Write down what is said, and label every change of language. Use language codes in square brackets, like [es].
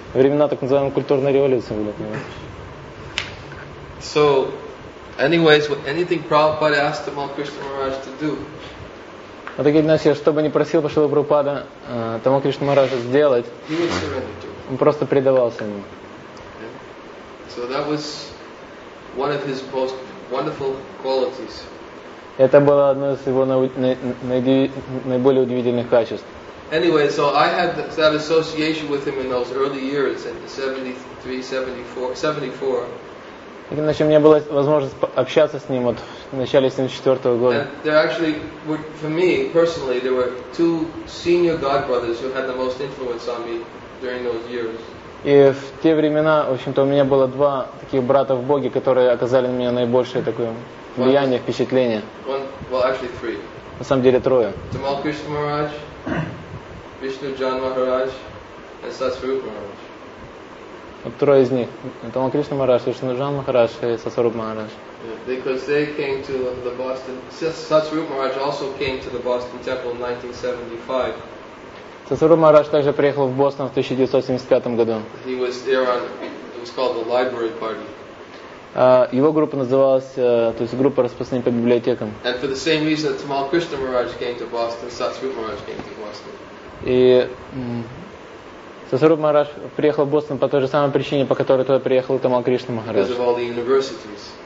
[ru] Времена так называемой культурной революции были. [en] So, anyways, what anything Prabhupada asked Tamal Krishna Maharaj to do? [ru] А так или иначе, что бы ни просил Шрила Прабхупада Тамал Кришна Махараджа сделать, он просто предавался ему. [en] So that was one of his most wonderful qualities. [ru] Это было одно из его наиболее удивительных качеств. [en] Anyway, so I had that association with him in those early years, in 73, 74. [ru] Иначе у меня была возможность общаться с ним вот в начале 74 года. [en] And there actually, for me personally, there were two senior god brothers who had the most influence on me during those years. [ru] И в те времена, в общем-то, у меня было два таких брата в Боге, которые оказали на меня наибольшее такое влияние, впечатление. [en] Well, [ru] на самом деле трое. Тамал Кришна Махарадж, Вишну Джан Махарадж и Сасваруп Махарадж. Вот трое из них. Тамал Кришна Махарадж, Вишну Джан Махарадж и Сасваруп Махарадж. [en] Because they came to the Boston... Сасваруп Махарадж also came to the Boston Temple in 1975. [ru] Сасваруп Махарадж также приехал в Бостон в 1975 году. [en] He was there on, it was called the library party. [ru] Его группа называлась, то есть группа распространения по библиотекам. [en] And for the same reason that Tamal Krishna Maharaj came to Boston, Сасваруп Махарадж came to Boston. [ru] И Сасваруп Махарадж приехал в Бостон по той же самой причине, по которой туда приехал Тамал Кришна Махарадж. [en] Because of all the universities.